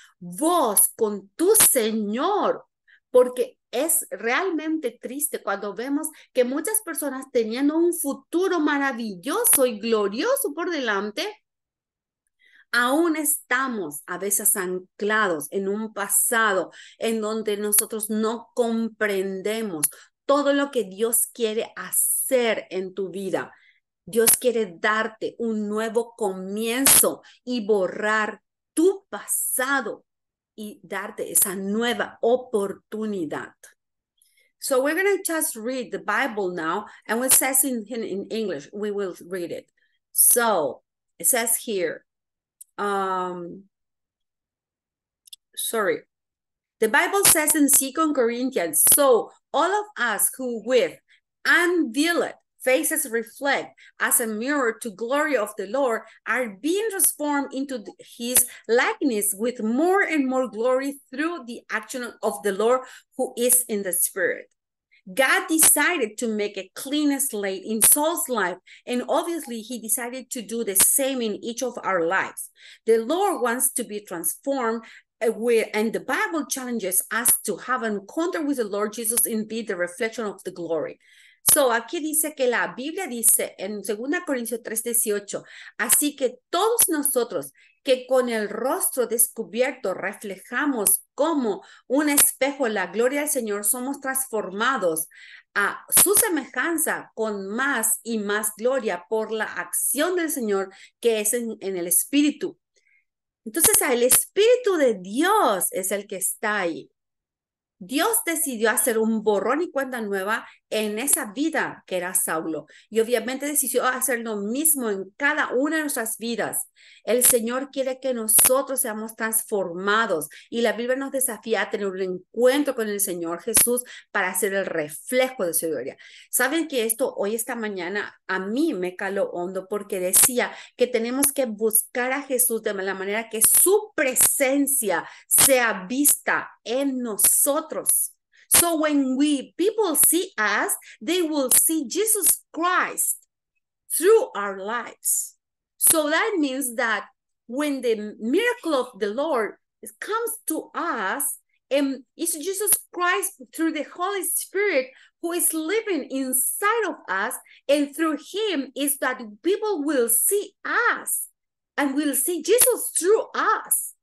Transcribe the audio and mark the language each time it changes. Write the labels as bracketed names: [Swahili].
[Spanish] Vos, con tu Señor, porque es realmente triste cuando vemos que muchas personas teniendo un futuro maravilloso y glorioso por delante, aún estamos a veces anclados en un pasado en donde nosotros no comprendemos todo lo que Dios quiere hacer en tu vida. Dios quiere darte un nuevo comienzo y borrar tu pasado y darte esa nueva oportunidad. [English] So we're going to just read the Bible now, and when it says in English, we will read it. So it says here, the Bible says in 2 Corinthians, so all of us who with unveiled faces reflect as a mirror to glory of the Lord are being transformed into his likeness with more and more glory through the action of the Lord who is in the Spirit. God decided to make a clean slate in Saul's life, and obviously he decided to do the same in each of our lives. The Lord wants to be transformed, and the Bible challenges us to have an encounter with the Lord Jesus and be the reflection of the glory. [Spanish] So, aquí dice que la Biblia dice en 2 Corintios 3:18, así que todos nosotros que con el rostro descubierto reflejamos como un espejo la gloria del Señor, somos transformados a su semejanza con más y más gloria por la acción del Señor que es en el Espíritu. Entonces, el Espíritu de Dios es el que está ahí. Dios decidió hacer un borrón y cuenta nueva en esa vida que era Saulo. Y obviamente decidió hacer lo mismo en cada una de nuestras vidas. El Señor quiere que nosotros seamos transformados. Y la Biblia nos desafía a tener un encuentro con el Señor Jesús para hacer el reflejo de su gloria. ¿Saben que esto hoy, esta mañana, a mí me caló hondo? Porque decía que tenemos que buscar a Jesús de la manera que su presencia sea vista en nosotros. [English] So when we people see us, they will see Jesus Christ through our lives. So that means that when the miracle of the Lord comes to us, and it's Jesus Christ through the Holy Spirit who is living inside of us, and through him is that people will see us and will see Jesus through us.